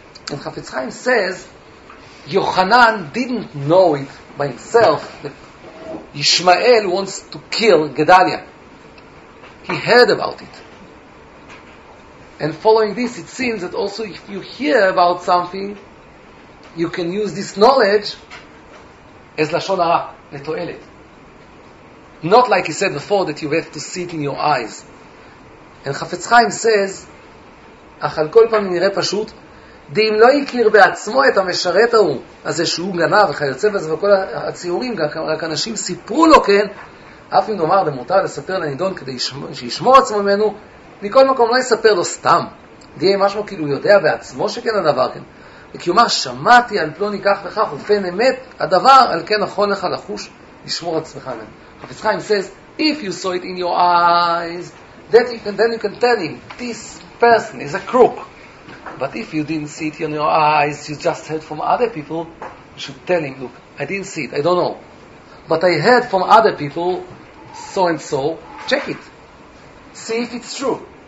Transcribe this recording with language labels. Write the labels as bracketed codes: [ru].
[en] And Chafetz Chaim says, Yochanan didn't know it by himself that Yishmael wants to kill Gedalia. He heard about it. And following this, it seems that also if you hear about something, you can use this knowledge as Lashon Hara, Letoelet. Not like he said before, that you have to see it in your eyes. And Chafetz Chaim says, [he] אך על כל פעם נראה פשוט, דאם לא יכיר בעצמו את המשרת ההוא, הזה שהוא גנב, וכיוצא בזה וכל הציורים, רק אנשים סיפרו לו כן, אף אם נאמר למותר לספר לנידון כדי שישמור עצמו ממנו, מכל מקום לא יספר לו סתם. דהיה משמו כאילו הוא יודע בעצמו שכן הדבר כן. וכיומר, שמעתי על פלוני כך וכך, ופן אמת הדבר, על כן נכון לך לחוש, לשמור עצמך ממנו. [en] חפץ חיים says, if you saw it in your eyes, then you can tell him, this person is a crook. But if you didn't see it in your eyes, you just heard from other people, you should tell him, look, I didn't see it, I don't know. But I heard from other people, so and so, check it. See if it's true.